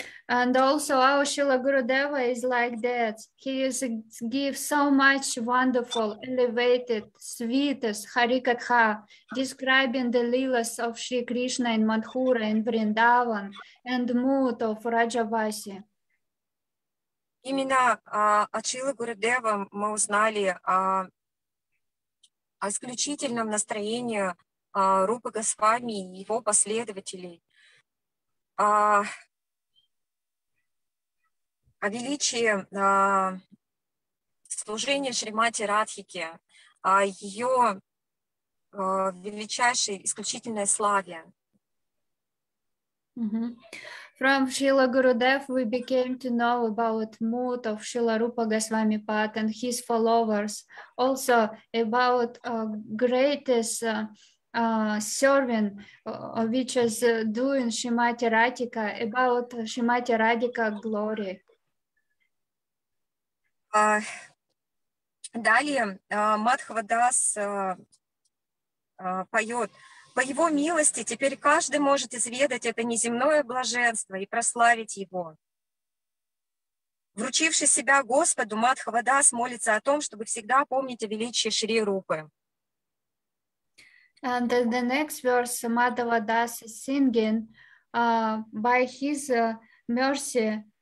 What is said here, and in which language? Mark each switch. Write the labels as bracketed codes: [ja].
[en] And also our Srila Gurudeva is like that. He is gives so much wonderful, elevated, sweetest Hari-Katha, describing the lilas of Sri Krishna in Mathura and Vrindavan and mood of Rajavasi. [ru] Именно от Шрилы Гурудевы мы узнали о исключительном настроении Рупы Госвами и его последователей, о величии служения Шримати Радхике, о ее величайшей исключительной славе. Mm-hmm. [en] From Srila Gurudev, we became to know about mood of Srila Rupa Goswami Pad and his followers. Also about greatest servant, which is doing Srimati Radhika, about Srimati Radhika glory. [ru] Далее Мадхавадас поет. По его милости теперь каждый может изведать это неземное блаженство и прославить его. Вручивший себя Господу, Мадхавадас молится о том, чтобы всегда помнить о величии Шри Рупы. [en] And the next verse Madhavadas is singing by his mercy.